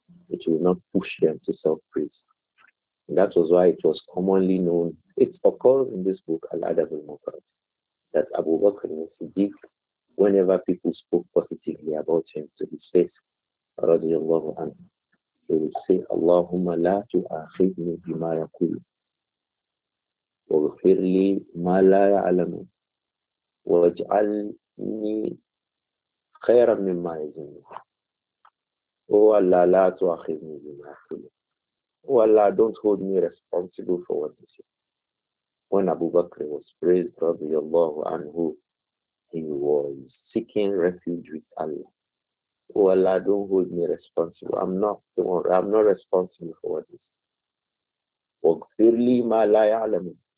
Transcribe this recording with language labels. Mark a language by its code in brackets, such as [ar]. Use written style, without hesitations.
[en] It will not push them to self-praise. And that was why it was commonly known, it occurs in this book, Al-Adab al-Mufrad, that Abu Bakr al-Siddiq, whenever people spoke positively about him to his face, radiallahu anhu, he would say, [ar] Allahumma la tu'akhidni bima yaqul. واغفر لي ما لا يعلم واجعلني خيرا مما يظن ولا لا تؤاخذني بما اقول ولا [en] don't hold me responsible for what you say. When Abu Bakr was praised, رضي الله عنه, he was seeking refuge with Allah. ولا don't hold me responsible. I'm not responsible for what you say. [ar] واغفر لي ما لا يعلم.